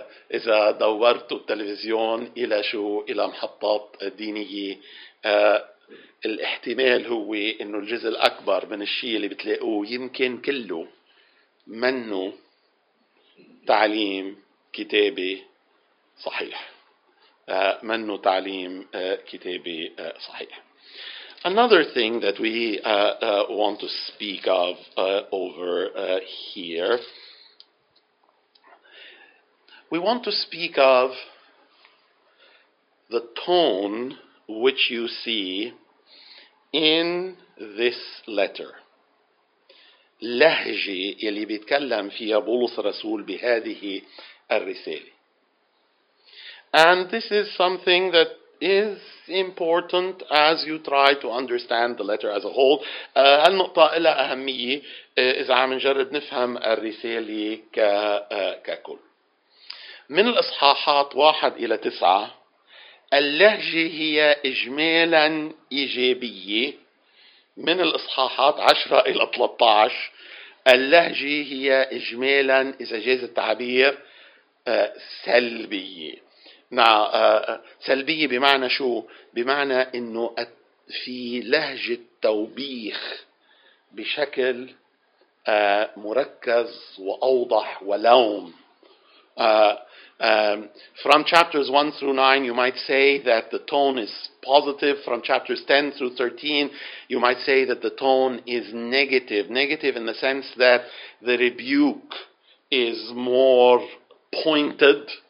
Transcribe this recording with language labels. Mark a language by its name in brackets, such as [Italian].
[Arabic] إذا دورت التلفزيون إلى شو إلى محطات دينية الاحتمال هو إنه الجزء الأكبر من الشيء اللي بتلاقوه يمكن كله منه تعليم كتابي صحيح. منه تعليم كتابي صحيح. [English] Another thing that we want to speak of over here, we want to speak of the tone which you see in this letter. [Arabic] لهجة يلي بيتكلم فيها بولس الرسول بهذه الرسالة. [English] And this is something that is important as you try to understand the letter as a whole. [Arabic] هالنقطة لها أهمية إذا عم نجرد نفهم الرسالة ككل. من الإصحاحات 1 إلى 9 اللهجة هي إجمالا إيجابية. من الإصحاحات 10 إلى 13 اللهجة هي إجمالا إذا جاز التعبير سلبية. نعم سلبية بمعنى شو؟ بمعنى إنه في لهجة توبيخ بشكل مركز وأوضح ولوم. [English] From chapters 1 through 9 you might say that the tone is positive. From chapters 10 through 13 you might say that the tone is negative. Negative in the sense that the rebuke is more pointed.